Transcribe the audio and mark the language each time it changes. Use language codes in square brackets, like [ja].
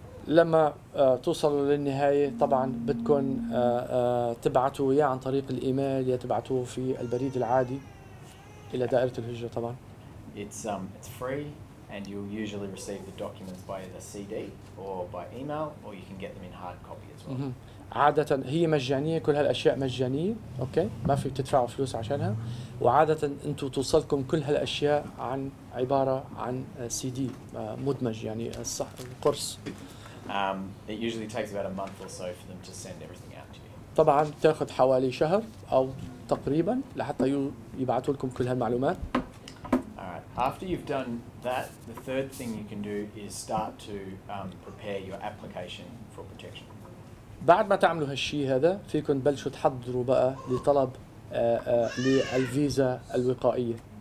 [ar] لما توصلوا للنهاية طبعاً بدكن تبعتوا يا عن طريق الإيميل يا تبعتوه في البريد العادي. إلى دائرة الهجرة طبعا. [en] It's free and you'll usually receive the documents by a CD or by email or you can get them in hard copy as well. [ar] عادة هي مجانية كل هالأشياء مجانية أوكي ما في تدفعوا فلوس عشانها وعادة أنتوا توصلكم كل هالأشياء عن عبارة عن CD مدمج يعني الصح القرص. [en] It usually takes about a month or so for them to send everything out to you. [ar] طبعا تأخذ حوالي شهر أو تقريبا لحتى يبعثوا لكم كل هالمعلومات. [en] After you've done that, the third thing you can do is start to prepare your application for protection. [ar] بعد ما تعملوا هالشيء هذا فيكن بلشوا تحضروا بقى لطلب للفيزا الوقائية.